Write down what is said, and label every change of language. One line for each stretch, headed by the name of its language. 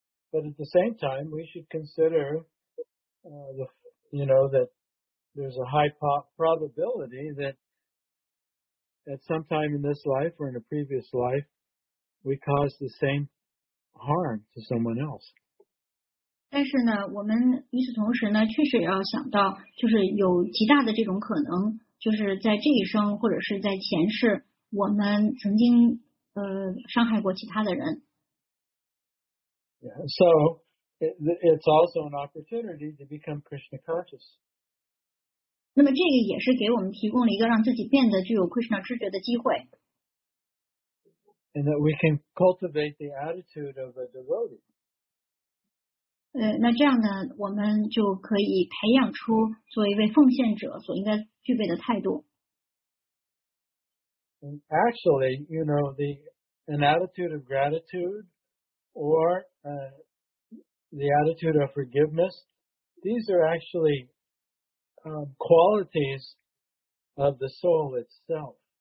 English: But at the same time, we should consider, you know, that there's a high probability that at some time in this life or in a previous life, we caused the same harm to someone else.
Chinese: 但是呢，我们与此同时呢，确实也要想到，就是有极大的这种可能，就是在这一生或者是在前世，我们曾经伤害过其他的人。
English: Yeah, so it's also an opportunity to become Krishna conscious.
Chinese: 那么这个也是给我们提供了一个让自己变得具有 Krishna 知觉的机会。
English: And that we can cultivate the attitude of a devotee.
Chinese: 那这样呢，我们就可以培养出作为一位奉献者所应该具备的态度。
English: Actually, you know, an attitude of gratitude or the attitude of forgiveness, these are actually qualities of the soul itself.